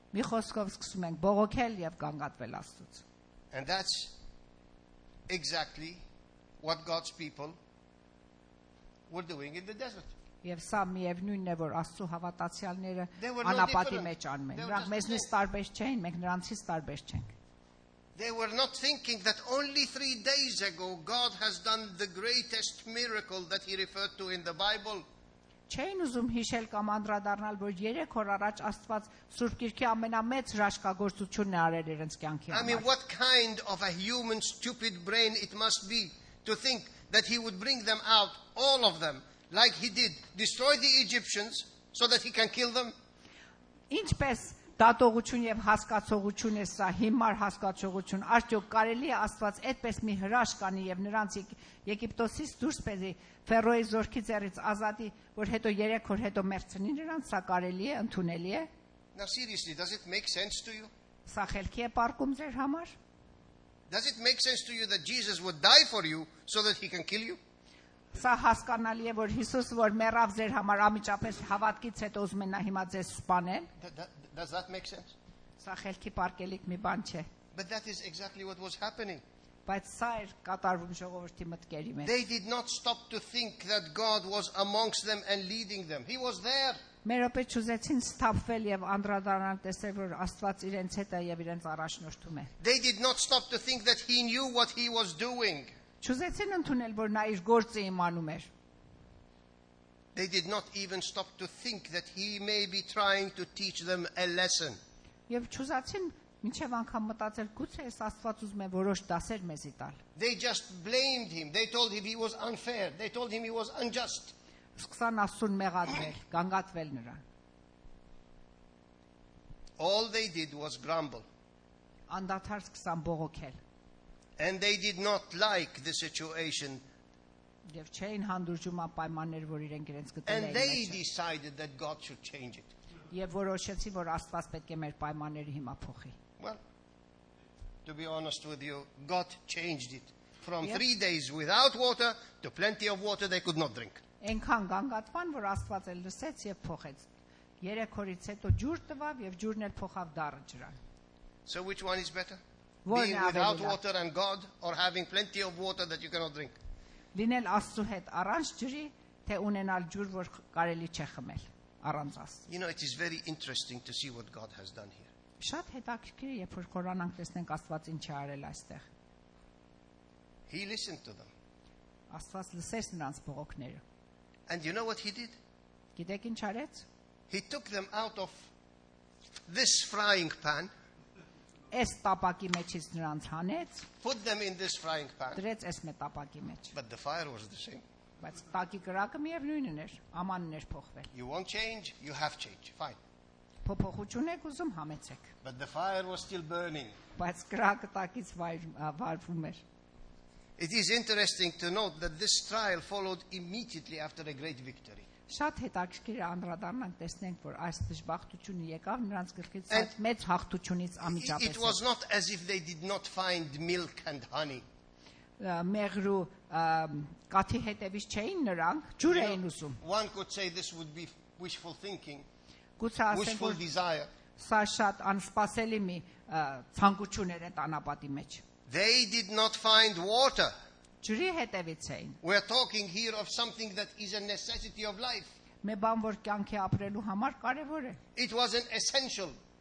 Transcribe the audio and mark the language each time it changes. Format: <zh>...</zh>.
<hy>Մի խոսքով սկսում ենք բողոքել եւ կանգատվել Աստծուց։</hy> <en>And that's exactly what God's people were doing in the desert.</en> <hy>Եվ սա միևնույնն է, որ Աստծո հավատացյալները անապատի մեջ անմեն։ Նրանք մեզնից տարբեր չէին, մենք նրանցից տարբեր չենք։</hy> <en>They were not thinking that only 3 days ago God has done the greatest miracle that he referred to in the Bible.</en> <hy>Չէին ուզում հիշել կամ անդրադառնալ, որ 3 օր առաջ Աստված Սուրբ Գիրքի ամենամեծ հրաշքագործությունն է արել իրենց կյանքի համար։</hy> <en>I mean what kind of a human stupid brain it must be to think that he would bring them out all of them like he did destroy the Egyptians so that he can kill them</en> <hy>Ինչպես դատողություն եւ հասկացողություն է սա հիմար հասկացողություն արդյոք կարելի է Աստված այդպես մի հրաշք անի եւ նրանց Եգիպտոսից դուրս բերի Ֆերոյի զորքի ձեռից ազատի որ հետո 3 օր հետո մերցնի նրանց սա կարելի է ընդունելի է</hy> <en>Now seriously does it make sense to you</en> <hy>Սա խելքի է պարկում ձեր համար</hy> <en>Does it make sense to you that Jesus would die for you so that he can kill you?</en> <hy>Սա հասկանալի է, որ Հիսուսը, որ մեռավ ձեր համար ամիջապես հավատքից հետո ուզում է նա հիմա ձեզ սպանել?</hy> <en>Does that make sense?</en> <hy>Սա խելքի պարկելիք մի բան չէ.</hy> <en>But that is exactly what was happening.</en> <hy>Բայց սա էր կատարվում ժողովրդի մտքերի մեջ.</hy> <en>They did not stop to think that God was amongst them and leading them. He was there.</en> <hy>Մերոպե չուզեցին սթափվել եւ անդրադառնալ տեսել որ Աստված իրենց հետ է եւ իրենց առաջնորդում է։</hy> <en>They did not stop to think that he knew what he was doing։</en> <hy>Չուզեցին ընդունել որ նա իր գործը իմանում էր։</hy> <en>They did not even stop to think that he may be trying to teach them a lesson։</en> <hy>Եվ չուզեցին մինչեւ անգամ մտածել գուցե այս Աստված ուզում է որոշ դասեր մեզի տալ։</hy> <en>They just blamed him։ They told him he was unfair։ They told him he was unjust։</en> <hy>Սկսան աստուն մեղադրել, կանգատվել նրան։</hy> <en>All they did was grumble.</en> <hy>Անդադար սկսան բողոքել։</hy> <en>And they did not like the situation.</en> <hy>Եվ չէին հանդուրժում ա պայմաններ, որ իրենք իրենց գտել էին։</hy> <en>And they decided that God should change it.</en> <hy>Եվ որոշեցի, որ Աստված պետք է մեր պայմանները հիմա փոխի։</hy> <en>Well, to be honest with you, God changed it from 3 days without water to plenty of water they could not drink.</en> <hy>Այնքան գանգատվան, որ Աստված էլ լսեց եւ փոխեց։ 3 օրից հետո ջուր տվավ եւ ջուրն էլ փոխավ դառը ջրան։</hy> <en>So which one is better? Being without water and God or having plenty of water that you cannot drink?</en> <hy>Լինել Աստծո հետ առանց ջրի, թե ունենալ ջուր, որ կարելի չէ խմել առանց Աստծո։</hy> <en>You know it is very interesting to see what God has done here.</en> <hy>Շատ հետաքրքիր է, երբ որ կորանանք տեսնենք Աստված ինչ է արել այստեղ։</hy> <en>He listened to them.</en> <hy>Աստված լսեց նրանց բողոքները։</hy> <en>And you know what he did?</en> <hy>Գիտեք ինչ արեց?</hy> <en>He took them out of this frying pan.</en> <hy>Էս տապակի մեջից նրանց հանեց.</hy> <en>Put them in this frying pan.</en> <hy>Դրեց էս մեջ տապակի մեջ.</hy> <en>But the fire was the same.</en> <hy>Բայց տակի կրակը միևնույնն էր, ամանն էր փոխվել.</hy> <en>You want change, you have change. Fine.</en> <hy>Փոփոխություն եք ուզում, համեցեք.</hy> <en>But the fire was still burning.</en> <hy>Բայց կրակը տակից վառվում էր.</hy> <en>It is interesting to note that this trial followed immediately after a great victory.</en> <hy>Շատ հետաքրքիր է անդրադառնանք տեսնենք, որ այս դժբախտությունը եկավ նրանց գլխից այդ մեծ հաղթությունից անմիջապես։</hy> <en>It was not as if they did not find milk and honey.</en> <hy>Մեղրու կաթի հետևից չէին նրանք, ջուր էին ուզում.</hy> <en>One could say this would be wishful thinking.</en> <hy>Գուցե ասենք,</hy> <en>wishful desire.</en> <hy>Սա շատ անսպասելի մի ցանկություն էր այդ անապատի մեջ։</hy> <en>They did not find water.</en> <hy>Ջրի հետևից էին.</hy> <en>We are talking here of something that is a necessity of life.</en> <hy>Մե բան որ կյանքի ապրելու համար կարևոր է.</hy> <en>It was an essential.</en>